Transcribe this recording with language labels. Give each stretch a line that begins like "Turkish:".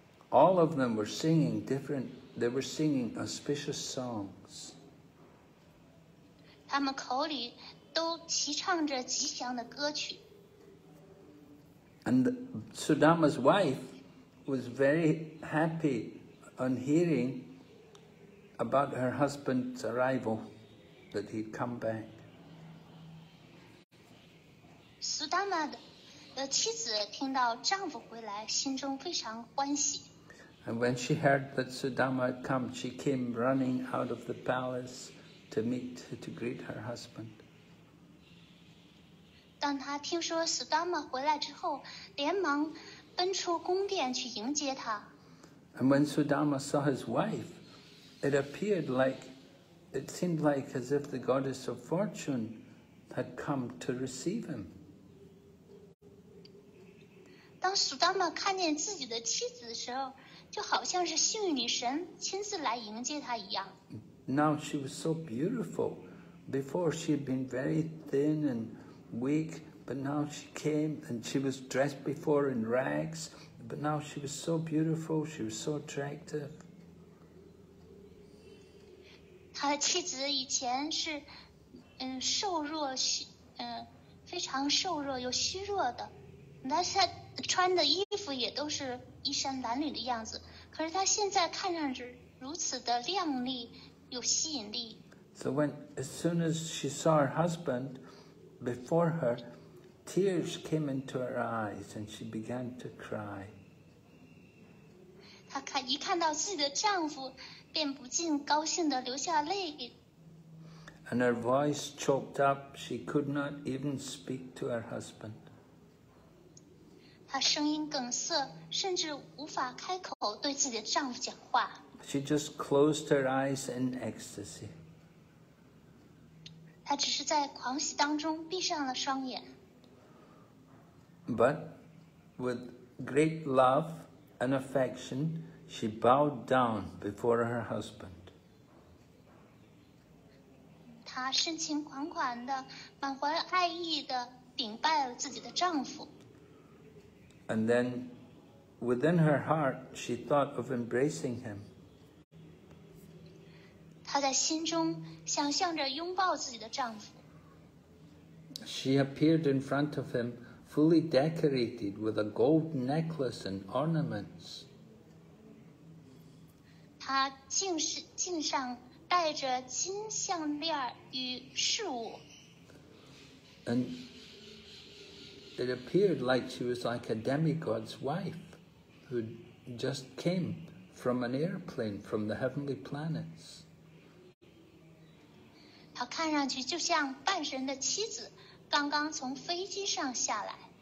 English: All of them were singing different. They were singing auspicious songs.
Chinese: 他们口里都齐唱着吉祥的歌曲。
English: And Sudama's wife was very happy on hearing about her husband's arrival, that he'd come back.
Chinese: Sudama 的妻子听到丈夫回来，心中非常欢喜。
English: And when she heard that Sudama had come, she came running out of the palace to greet her husband.
Chinese: 当她听说 Sudama 回来之后，连忙奔出宫殿去迎接他。
English: And when Sudama saw his wife, it seemed like as if the goddess of fortune had come to receive him.
Chinese: 当 Sudama 看见自己的妻子的时候，就好像是幸运女神亲自来迎接她一样。
English: Now she was so beautiful. Before she had been very thin and weak, but now she came and she was dressed before in rags. But now she was so beautiful. She was so attractive.
Chinese: 她的妻子以前是，瘦弱，非常瘦弱又虚弱的。那她穿的衣服也都是衣衫褴褛的样子，可是她现在看上去如此的靓丽，有吸引力。
English: So when as soon as she saw her husband before her, tears came into her eyes and she began to cry.
Chinese: 她一看到自己的丈夫，便不禁高兴地流下泪。
English: And her voice choked up; she could not even speak to her husband.
Chinese: 她声音哽塞，甚至无法开口对自己的丈夫讲话。
English: She just closed her eyes in ecstasy.
Chinese: 她只是在狂喜当中闭上了双眼。
English: But with great love and affection, she bowed down before her husband.
Chinese: 她深情款款的，满怀爱意的顶拜了自己的丈夫。
English: And then, within her heart, she thought of embracing him.
Chinese: 她在心中想象着拥抱自己的丈夫。
English: She appeared in front of him, fully decorated with a gold necklace and ornaments.
Chinese: 他颈上戴着金项链与饰物。
English: And it appeared like she was like a demigod's wife who just came from an airplane from the heavenly planets.
Chinese: 她看上去就像半神的妻子刚刚从飞机上下来。